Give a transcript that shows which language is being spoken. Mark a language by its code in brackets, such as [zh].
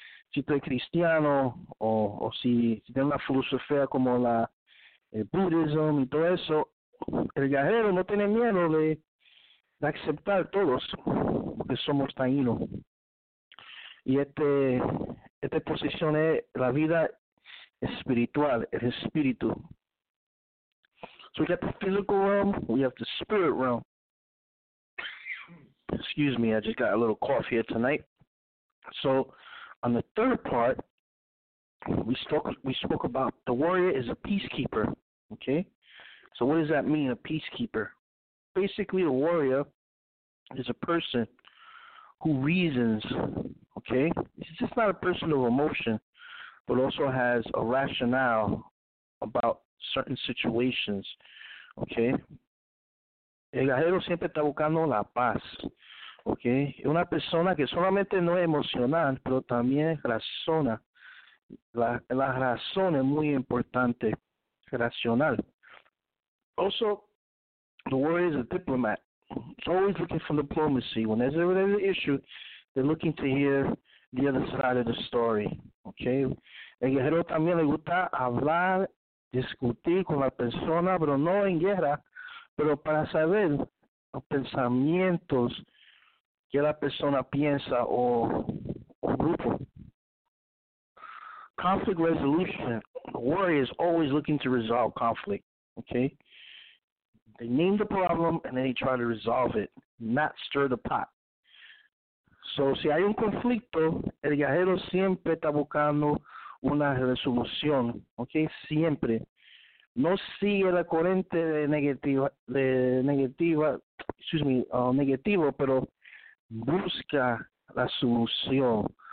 [es] Si tú eres cristiano o si tienes una filosofía como el budismo y todo eso, el guerrero no tiene miedo de aceptar todos porque somos taínos. Y esta posición es la vida espiritual, el espíritu. [en] So we got the physical realm, we have the spirit realm. Excuse me, I just got a little cough here tonight. So on the third part, we spoke about the warrior is a peacekeeper. Okay? So what does that mean, a peacekeeper? Basically, a warrior is a person who reasons, okay? He's just not a person of emotion, but also has a rationale about certain situations, okay? [es] El guerrero siempre está buscando la paz, okay? Es una persona que solamente no es emocional, pero también razona. La razón es muy importante, racional. [en] Also, the warrior is a diplomat. It's always looking for diplomacy. When there's an issue, they're looking to hear the other side of the story, okay? [es] El guerrero también le gusta hablar, discutir con la persona, pero no en guerra, pero para saber los pensamientos que la persona piensa o grupo. [en] Conflict resolution. The warrior is always looking to resolve conflict, okay? They name the problem and then they try to resolve it, not stir the pot. [es] So, si hay un conflicto, el guerrero siempre está buscando una resolución, okay? Siempre. No sigue la corriente negativa, pero busca la solución.